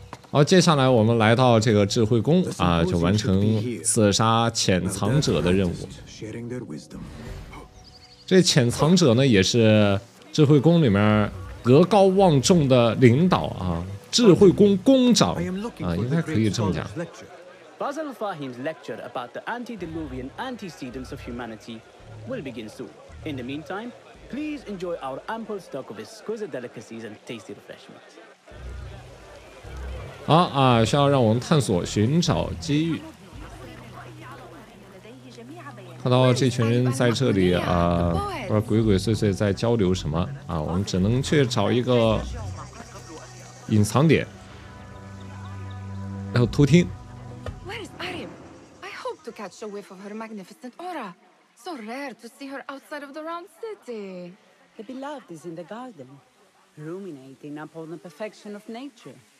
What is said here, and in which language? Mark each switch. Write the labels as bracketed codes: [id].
[zh] 好，接下来我们来到这个智慧宫啊，就完成刺杀潜藏者的任务。这潜藏者呢，也是智慧宫里面德高望重的领导啊，智慧宫宫长啊，应该可以这么讲。 [en] Fazil Fahim's lecture about the antediluvian antecedents of humanity will begin soon. In the meantime. Please enjoy our ample stock of exquisite delicacies and tasty refreshments. [zh] 好啊，需要让我们探索寻找机遇。看到这群人在这里啊，不是鬼鬼祟祟在交流什么啊，我们只能去找一个隐藏点，然后偷听。 [en] Where is Arim? I hope to catch a whiff of her magnificent aura. So rare to see her outside of the round city. The beloved is in the garden, ruminating upon the perfection of nature.